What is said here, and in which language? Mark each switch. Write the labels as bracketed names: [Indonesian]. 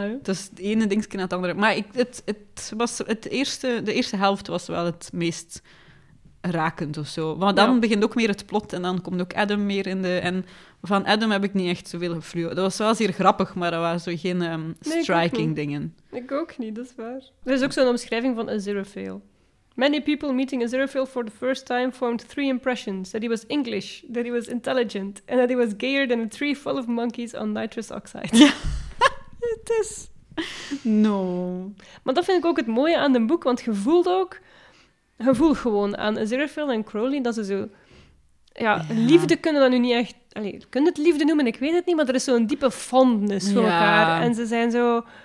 [Dutch] het is het ene dingetje naar het andere. Maar de eerste helft was wel het meest rakend of zo. Want dan begint ook meer het plot en dan komt ook Adam meer in de... En van Adam heb ik niet echt zoveel gefluwd. Dat was wel zeer grappig, maar dat waren zo geen striking dingen. Ik ook niet, dat is waar. Er is ook zo'n omschrijving van Aziraphale. [English] Many people meeting Aziraphale for the first time formed three impressions. That he was English, that he was intelligent, and that he was gayer than a tree full of monkeys on nitrous oxide. [Dutch] Ja. Het is... No. Maar dat vind ik ook het mooie aan een boek, want je voelt ook... Je voelt gewoon aan Aziraphale en Crowley dat ze zo... Ja, liefde kunnen dat nu niet echt... Allee, kun je het liefde noemen? Ik weet het niet, maar er is zo'n diepe fondness voor elkaar. En ze zijn zo...